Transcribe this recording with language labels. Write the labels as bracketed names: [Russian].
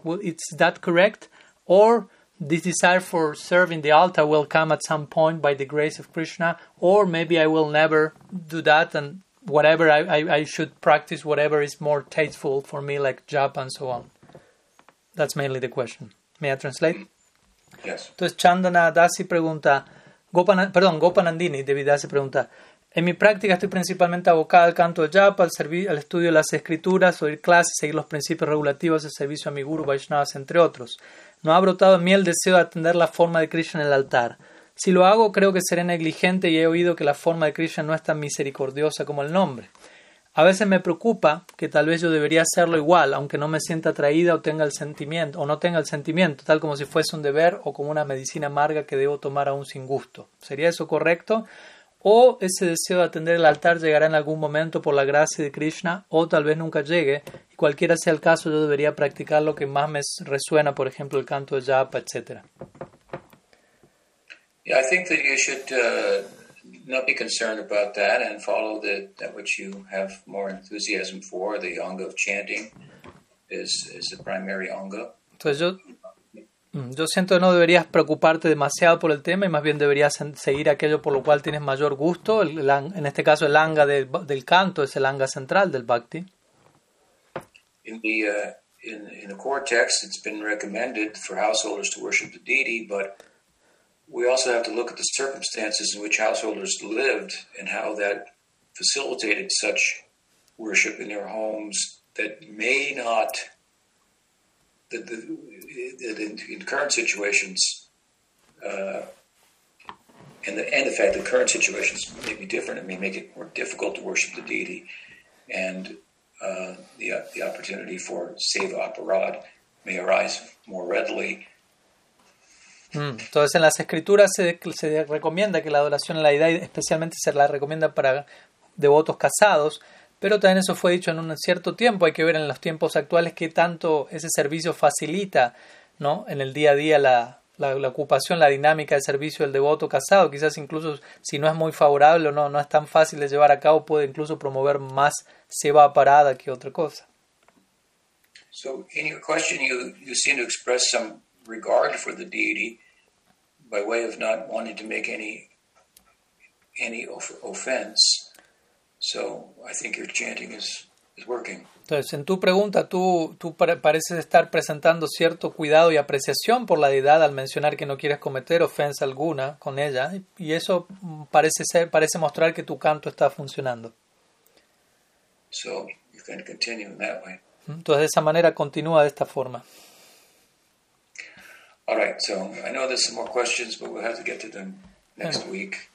[English] Well, is that correct? Or this desire for serving the altar will come at some point by the grace of Krishna, or maybe I will never do that and whatever I should practice, whatever is more tasteful for me, like japa and so on. That's mainly the question. May I translate? Yes. [Spanish] Entonces Chandana Dasi pregunta, Gopanandini David Dasi pregunta, en mi práctica estoy principalmente abocada al canto de japa, al estudio de las escrituras, oír clases, seguir los principios regulativos de servicio a mi guru, Vaishnavas, entre otros. No ha brotado en mí el deseo de atender la forma de Krishna en el altar. Si lo hago, creo que seré negligente y he oído que la forma de Krishna no es tan misericordiosa como el nombre. A veces me preocupa que tal vez yo debería hacerlo igual, aunque no me sienta atraída o tenga el sentimiento, o no tenga el sentimiento, tal como si fuese un deber o como una medicina amarga que debo tomar aún sin gusto. ¿Sería eso correcto? O ese deseo de atender el altar llegará en algún momento por la gracia de Krishna, o tal vez nunca llegue. Y cualquiera sea el caso, yo debería practicar lo que más me resuena, por ejemplo, el canto de Japa, etc. [English] Yeah, I think that you should not be concerned about that and follow that which you have more enthusiasm for. The anga of chanting is the primary anga. [Spanish] Entonces yo siento que no deberías preocuparte demasiado por el tema y más bien deberías seguir aquello por lo cual tienes mayor gusto. En este caso, el anga del canto es el anga central del bhakti. [English] In the core text, it's been recommended for householders to worship the deity, but we also have to look at the circumstances in which householders lived and how that facilitated such worship in their homes that may not... That in current situations, and the fact that current situations may be different, it may make it more difficult to worship the deity, and the opportunity for seva aparad may arise more readily. [Spanish] Entonces, en las escrituras se recomienda que la adoración a la deidad, especialmente se la recomienda para devotos casados. Pero también eso fue dicho en un cierto tiempo. Hay que ver en los tiempos actuales qué tanto ese servicio facilita, ¿no?, en el día a día la ocupación, la dinámica de servicio del devoto casado. Quizás incluso si no es muy favorable o no es tan fácil de llevar a cabo, puede incluso promover más seva parada que otra cosa. [English] So in your question you seem to express some regard for the deity by way of not wanting to make any offense. So I think your chanting is working. [Spanish] Entonces, en tu pregunta, tú pareces estar presentando cierto cuidado y apreciación por la deidad al mencionar que no quieres cometer ofensa alguna con ella, y eso parece mostrar que tu canto está funcionando. [English] So you can continue in that way. [Spanish] Entonces, de esa manera, continúa de esta forma. [English] All right, so I know there's some more questions, but we'll have to get to them next week.